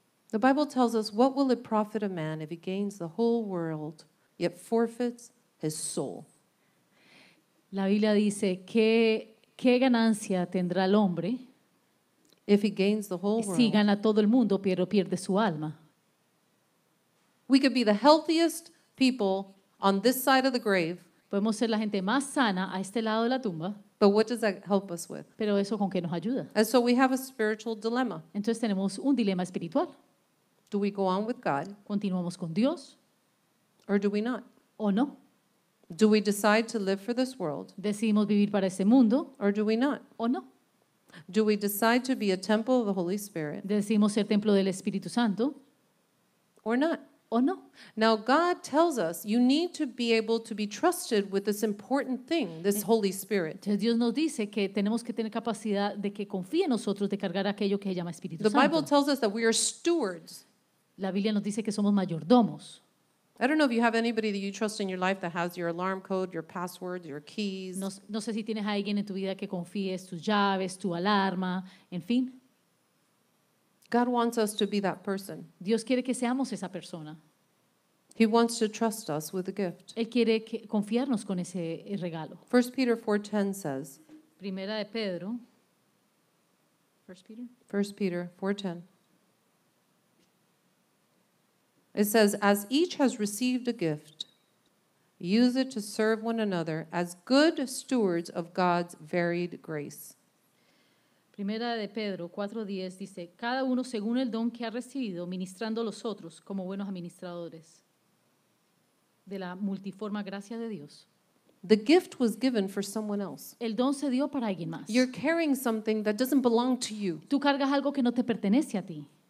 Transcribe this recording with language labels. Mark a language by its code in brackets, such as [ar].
[en] The Bible tells us, what will it profit a man if he gains the whole world, yet forfeits his soul? [es] La Biblia dice, ¿qué ganancia tendrá el hombre? [en] If he gains the whole world. [es] Si gana todo el mundo, pero pierde su alma. [en] We could be the healthiest people on this side of the grave. [es] Podemos ser la gente más sana a este lado de la tumba. [en] But what does that help us with? [es] Pero eso con qué nos ayuda. [en] And so we have a spiritual dilemma. [es] Entonces tenemos un dilema espiritual. [en] Do we go on with God? [es] ¿Continuamos con Dios? [en] Or do we not? [es] ¿O no? [en] Do we decide to live for this world? [es] ¿Decidimos vivir para ese mundo? [en] Or do we not? [es] ¿O no? [en] Do we decide to be a temple of the Holy Spirit? [es] ¿Decidimos ser templo del Espíritu Santo? [en] Or not? [es] ¿O no? [en] Now God tells us you need to be able to be trusted with this important thing, this Holy Spirit. [es] Entonces Dios nos dice que tenemos que tener capacidad de que confíe en nosotros de cargar aquello que se llama Espíritu Santo. [en] The Bible tells us that we are stewards. [es] La Biblia nos dice que somos mayordomos. [en] I don't know if you have anybody that you trust in your life that has your alarm code, your password, your keys. [es] No sé si tienes a alguien en tu vida que confíes tus llaves, tu alarma, en fin. [en] God wants us to be that person. [es] Dios quiere que seamos esa persona. [en] He wants to trust us with a gift. [es] Él quiere que confiarnos con ese regalo. [en] 1 Peter 4:10 says. [es] Primera de Pedro [en] 1 Peter 4:10. It says, as each has received a gift, use it to serve one another as good stewards of God's varied grace. [es] Primera de Pedro 4:10 dice, cada uno según el don que ha recibido, ministrando a los otros como buenos administradores de la multiforme gracia de Dios. [en] The gift was given for someone else. [es] El don se dio para alguien más. [en] You're carrying something that doesn't belong to you. [es] Tú cargas algo que no te pertenece a ti.